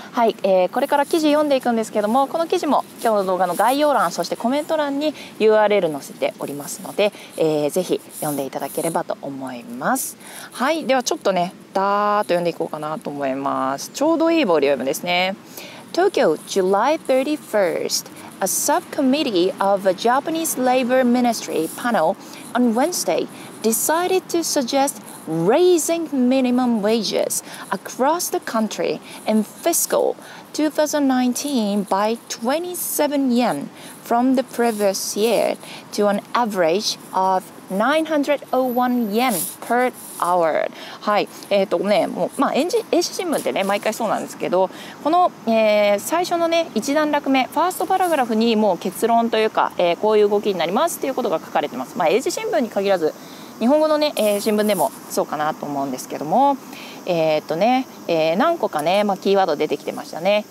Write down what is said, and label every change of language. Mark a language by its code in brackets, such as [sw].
[ja] はい、これから記事読んでいくんですけども、この記事も今日の動画の概要欄、そしてコメント欄に URL 載せておりますので、ぜひ読んでいただければと思います。はい、ではちょっとね、ダーッと読んでいこうかなと思います。ちょうどいいボリュームですね。 [en] 東京 July 31st A subcommittee of a Japanese Labor Ministry panel on Wednesday decided to suggest raising minimum wages across the country in fiscal 2019 by 27 yen from the previous year to an average of 901 yen per hour. [ja] はい、ね、もう、まあ、英字新聞ってね、毎回そうなんですけど、この、最初のね、一段落目、ファーストパラグラフにもう結論というか、こういう動きになりますっていうことが書かれてます。まあ、英字新聞に限らず、日本語のね、新聞でもそうかなと思うんですけども、何個かね、まあ、キーワード出てきてましたね。